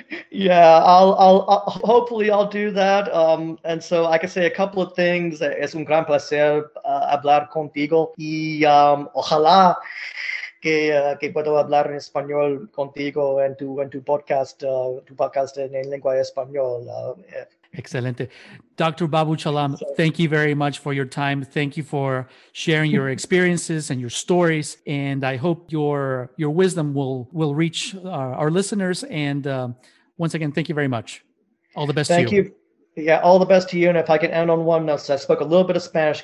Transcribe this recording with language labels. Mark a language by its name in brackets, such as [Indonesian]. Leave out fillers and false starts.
[English] Yeah, I'll hopefully do that. And so I can say a couple of things. [Spanish] Es un gran placer hablar contigo. Y ojalá que puedo hablar en español contigo en tu podcast en lengua española. Excelente. Dr. [English] Babu Chalam, thank you very much for your time. Thank you for sharing your experiences and your stories. And I hope your wisdom will reach our listeners. And once again, thank you very much. All the best to you. Thank you. Yeah, all the best to you. And if I can end on one note, so I spoke a little bit of Spanish.